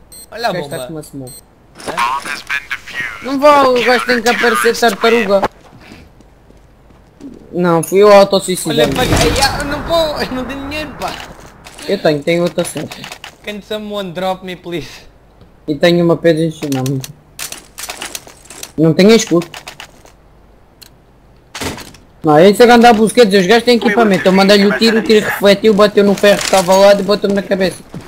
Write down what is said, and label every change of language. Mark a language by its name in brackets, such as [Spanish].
[Portuguese] Olha a bomba! Com uma smoke. É? Não vou, o gajo tem que aparecer tartaruga! Não, fui eu auto-suicidando! Olha, paguei! Não vou, eu não tenho dinheiro pá! Eu tenho, tenho outra sempre! [English] Can someone drop me please? [Portuguese] E tenho uma pedra em cima. Não tenho escudo. Não, isso é que andar a busquetes, os gajos têm equipamento. Eu mandei-lhe o tiro, o tiro refletiu, bateu no ferro que estava lá e bateu-me na cabeça.